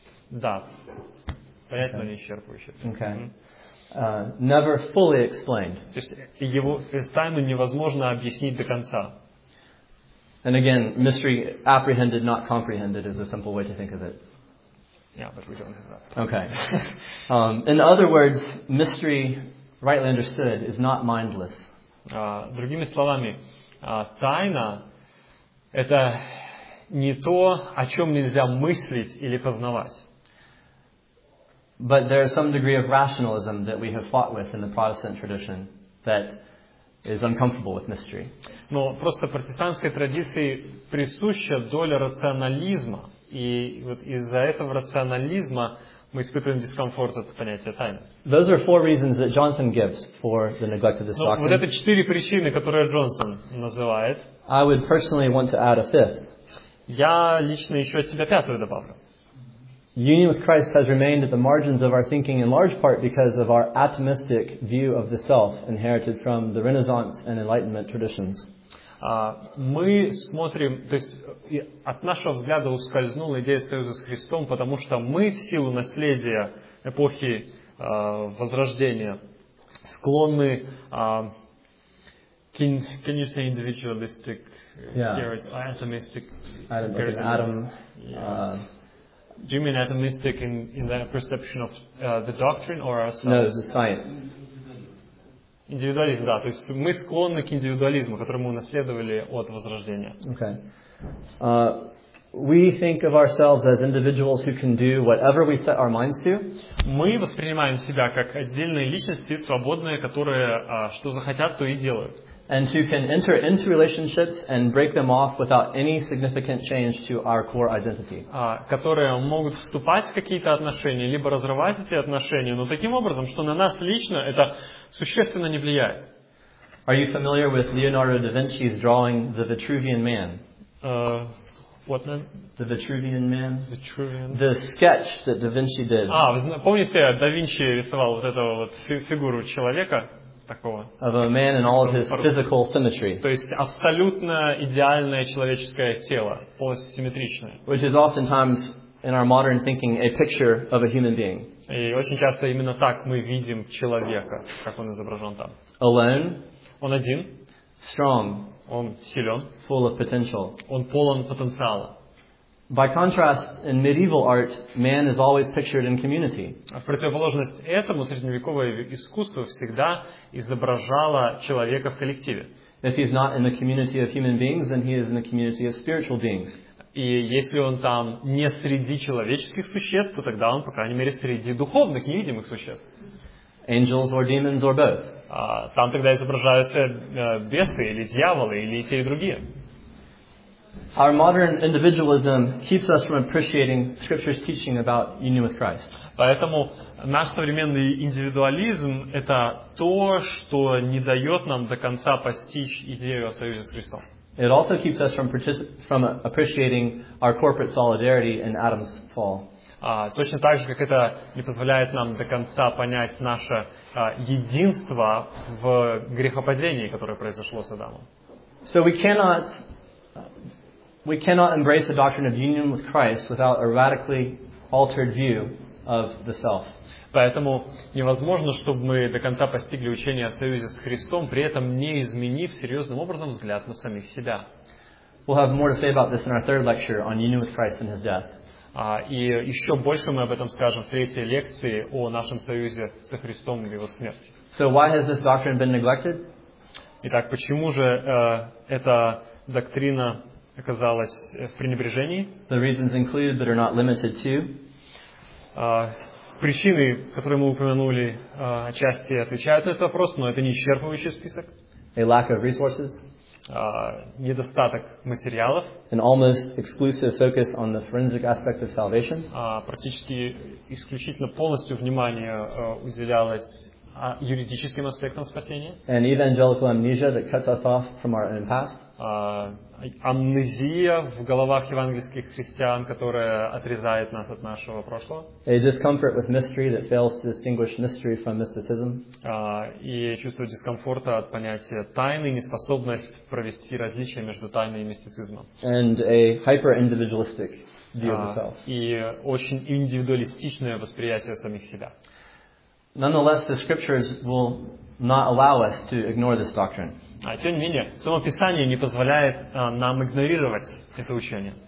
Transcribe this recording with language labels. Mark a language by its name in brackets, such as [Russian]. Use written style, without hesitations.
[Russian] Понять, но не исчерпывающее. [English] Okay. Never fully explained. [Russian] То есть его тайну невозможно объяснить до конца. [English] And again, mystery apprehended, not comprehended, is a simple way to think of it. Yeah, but we don't have that. Okay. In other words, mystery, rightly understood, is not mindless. [Russian] Другими словами, тайна — это не то, о чем нельзя мыслить или познавать. [English] But there is some degree of rationalism that we have fought with in the Protestant tradition that is uncomfortable with mystery. [Russian] Но просто протестантской традиции присуща доля рационализма, и вот из-за этого рационализма мы испытываем дискомфорт от понятия тайны. [English] Those are four reasons that Johnson gives for the neglect of this doctrine. [Russian] Вот это четыре причины, которые Джонсон называет. [English] I would personally want to add a fifth. [Russian] Я лично еще от себя пятую добавлю. [English] Union with Christ has remained at the margins of our thinking in large part because of our atomistic view of the self inherited from the Renaissance and Enlightenment traditions. [Russian] Мы смотрим, то есть от нашего взгляда ускользнула идея союза с Христом, потому что мы в силу наследия эпохи Возрождения склонны к [English] individualistic atomistic atom. Do you mean atomistic in the perception of the doctrine or ourselves? No, the science. [Russian] Индивидуализм, да. То есть мы склонны к индивидуализму, который мы унаследовали от Возрождения. [English] Okay. We think of ourselves as individuals who can do whatever we set our minds to. [Russian] Мы воспринимаем себя как отдельные личности, свободные, которые что захотят, то и делают. [English] And who can enter into relationships and break them off without any significant change to our core identity. [Russian] Которые могут вступать в какие-то отношения, либо разрывать эти отношения, но таким образом, что на нас лично это существенно не влияет. [English] Are you familiar with Leonardo da Vinci's drawing The Vitruvian Man? What name? The Vitruvian Man. Vitruvian. The sketch that da Vinci did. [Russian] Помните, да Винчи рисовал вот этого вот фигуру человека? Такого. [English] Of a man in all of his physical symmetry. [Russian] То есть абсолютно идеальное человеческое тело, полностью симметричное. [English] Which is oftentimes in our modern thinking a picture of a human being. [Russian] И очень часто именно так мы видим человека, как он изображен там. [English] Alone. [Russian] Он один. [English] Strong. [Russian] Он силен. [English] Full of potential. [Russian] Он полон потенциала. [English] By contrast, in medieval art, man is always pictured in community. [Russian] В противоположность этому, средневековое искусство всегда изображало человека в коллективе. [English] If he's not in the community of human beings, then he is in the community of spiritual beings. [Russian] И если он там не среди человеческих существ, то тогда он, по крайней мере, среди духовных, невидимых существ. [English] Angels or demons or both. [Russian] Там тогда изображаются бесы или дьяволы, или те и другие. [English] Our modern individualism keeps us from appreciating Scripture's teaching about union with Christ. [Russian] Поэтому наш современный индивидуализм — это то, что не дает нам до конца постичь идею о союзе с Христом. [English] It also keeps us from appreciating our corporate solidarity in Adam's fall. [Russian] Точно так же, как это не позволяет нам до конца понять наше единство в грехопадении, которое произошло с Адамом. [English] So we cannot embrace the doctrine of union with Christ without a radically altered view of the self. [Russian] Поэтому невозможно, чтобы мы до конца постигли учение о союзе с Христом, при этом не изменив серьезным образом взгляд на самих себя. [English] We'll have more to say about this in our third lecture on union with Christ and His death. [Russian] И еще больше мы об этом скажем в третьей лекции о нашем союзе со Христом и Его смерти. [English] So why has this doctrine been neglected? [Russian] Итак, почему же эта доктрина оказалась в пренебрежении? [English] The reasons include, but are not limited to. [Russian] Причины, которые мы упомянули, отчасти отвечают на этот вопрос, но это не исчерпывающий список. [English] A lack of resources. [Russian] Недостаток материалов. [English] An almost exclusive focus on the forensic aspect of salvation. [Russian] Практически исключительно полностью внимание уделялось юридическим аспектам спасения. [English] An evangelical amnesia that cuts us off from our own past. [Russian] Амнезия в головах евангельских христиан, которая отрезает нас от нашего прошлого. [English] A discomfort with mystery that fails to distinguish mystery from mysticism. [Russian] И чувство дискомфорта от понятия тайны, неспособность провести различие между тайной и мистицизмом. [English] And a hyper-individualistic view of the self. [Russian] И очень индивидуалистичное восприятие самих себя. [English] Nonetheless, the scriptures will not allow us to ignore this doctrine. [Russian] Тем не менее, само Писание не позволяет нам игнорировать это учение.